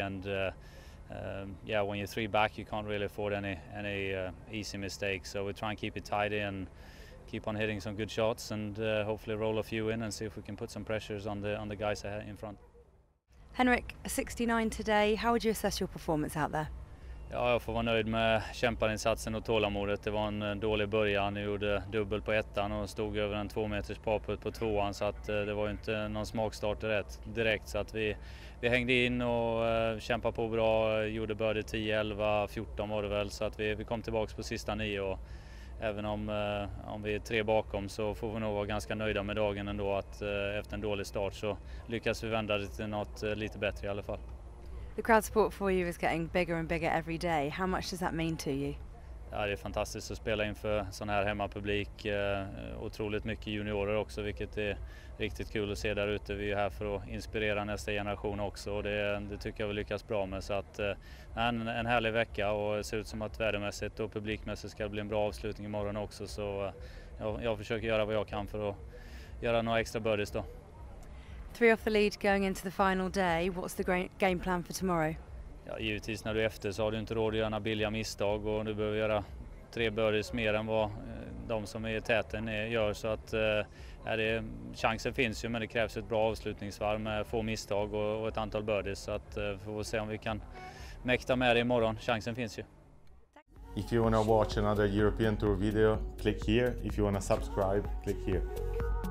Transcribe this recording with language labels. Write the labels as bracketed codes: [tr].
[en] And when you're 3 back, you can't really afford any easy mistakes. So we try and keep it tidy and keep on hitting some good shots, and hopefully roll a few in and see if we can put some pressures on the guys ahead in front. Henrik, 69 today. How would you assess your performance out there? [sv] Ja, jag får vara nöjd med kämpainsatsen och tålamodet. Det var en dålig början. Jag gjorde dubbel på ettan och stod över en 2 meters parputt på tvåan. Så att, det var inte någon smakstart direkt. Så att vi hängde in och kämpade på bra. Gjorde birdie 10, 11, 14 var det väl. Så att vi kom tillbaka på sista 9. Och även om vi är 3 bakom, så får vi nog vara ganska nöjda med dagen ändå. Att efter en dålig start så lyckas vi vända det till något lite bättre i alla fall. [en] The crowd support for you is getting bigger and bigger every day. How much does that mean to you? [sv] Ja, det är fantastiskt att spela inför sån här hemmapublik. Otroligt mycket juniorer också, vilket är riktigt kul att se där ute. Vi är här för att inspirera nästa generation också, och det tycker jag vi lyckas bra med. Så att, en härlig vecka, och det ser ut som att vädermässigt och publikmässigt ska bli en bra avslutning imorgon också. Så jag försöker göra vad jag kan för att göra några extra birdies då. [en] 3 off the lead going into the final day. What's the game plan for tomorrow? [sv] Ja, givetvis när du är efter så har du inte råd att göra några billiga misstag, och du behöver göra 3 birdies mer än vad de som är i täten gör. Så att chansen finns ju, men det krävs ett bra avslutningsvarv med få misstag och ett antal birdies. Så att får vi se om vi kan mäkta med det imorgon. Chansen finns ju. [en] If you want to watch another European Tour video, click here. If you want to subscribe, click here.